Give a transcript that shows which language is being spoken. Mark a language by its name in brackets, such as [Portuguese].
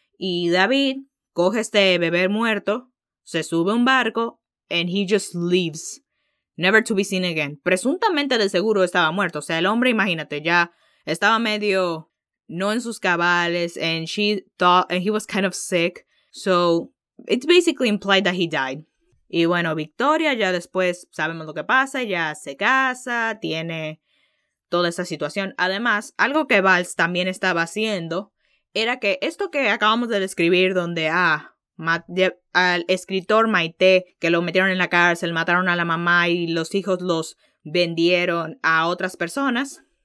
[Spanish] Y David coge este bebé muerto, se sube a un barco, [English] and he just leaves, never to be seen again. [Spanish] Presuntamente de seguro estaba muerto, o sea, el hombre, imagínate, ya estaba medio no en sus cabales, [English] and he was kind of sick. So, it's basically implied that he died. [Spanish] Y bueno, Victoria ya después sabemos lo que pasa. Ya se casa, tiene toda esa situación. Además, algo que Valls también estaba haciendo era que esto que acabamos de describir donde al escritor Maite, que lo metieron en la cárcel, mataron a la mamá y los hijos los vendieron a otras personas.